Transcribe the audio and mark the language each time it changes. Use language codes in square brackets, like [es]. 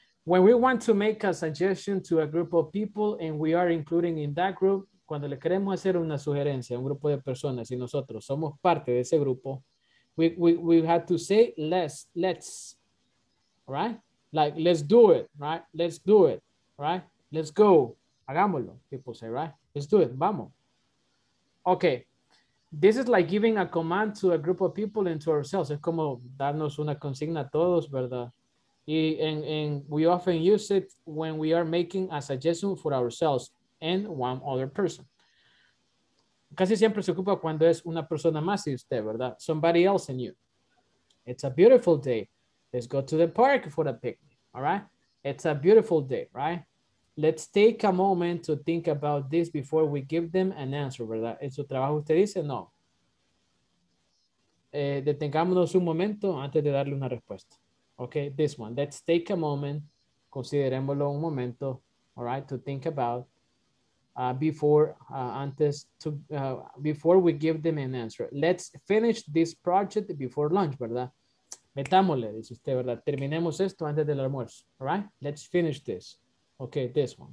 [en] When we want to make a suggestion to a group of people and we are including in that group, [es] cuando le queremos hacer una sugerencia a un grupo de personas y nosotros somos parte de ese grupo, [en] we have to say let's, right? Like, let's do it, right? Let's do it, right? Let's go. Hagámoslo, people say, right? Let's do it. Vamos. Okay. This is like giving a command to a group of people and to ourselves. [es] Es como darnos una consigna a todos, ¿verdad? [en] Y, and we often use it when we are making a suggestion for ourselves and one other person. [es] Casi siempre se ocupa cuando es una persona más y usted, ¿verdad? [en] Somebody else and you. It's a beautiful day. Let's go to the park for a picnic, all right? It's a beautiful day, right? Let's take a moment to think about this before we give them an answer, ¿verdad? [es] ¿Es su trabajo usted dice? No. Detengámonos un momento antes de darle una respuesta. [en] Okay, this one. Let's take a moment. [es] Considerémoslo un momento, [en] all right, to think about before we give them an answer. Let's finish this project before lunch, ¿verdad? [es] Metámosle, dice usted, [en] ¿verdad? [es] Terminemos esto antes del almuerzo, all right? [en] Let's finish this. [es] Okay, this one.